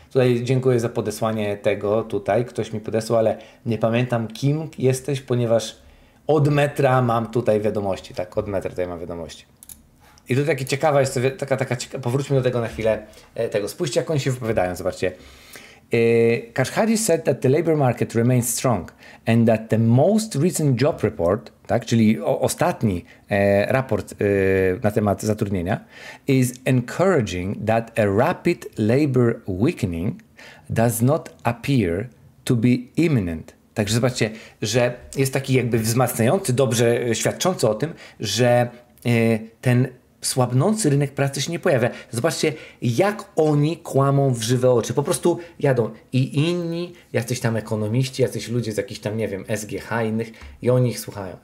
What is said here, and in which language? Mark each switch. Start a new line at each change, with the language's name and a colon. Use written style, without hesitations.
Polish: Tutaj dziękuję za podesłanie tego tutaj, ktoś mi podesłał, ale nie pamiętam, kim jesteś, ponieważ od metra mam tutaj wiadomości, tak? Od metra tutaj mam wiadomości. I tutaj takie ciekawe jest, taka ciekawa, powróćmy do tego na chwilę, tego. Spójrzcie, jak oni się wypowiadają, zobaczcie.
English: Kashkari said that the labor market remains strong and that the most recent job report,
Polish: tak, czyli ostatni raport na temat zatrudnienia,
English: is encouraging that a rapid labor weakening does not appear to be imminent.
Polish: Także zobaczcie, że jest taki jakby wzmacniający, dobrze świadczący o tym, że ten słabnący rynek pracy się nie pojawia. Zobaczcie, jak oni kłamą w żywe oczy. Po prostu jadą i inni, jacyś tam ekonomiści, jacyś ludzie z jakichś tam, nie wiem, SGH innych, i oni ich słuchają.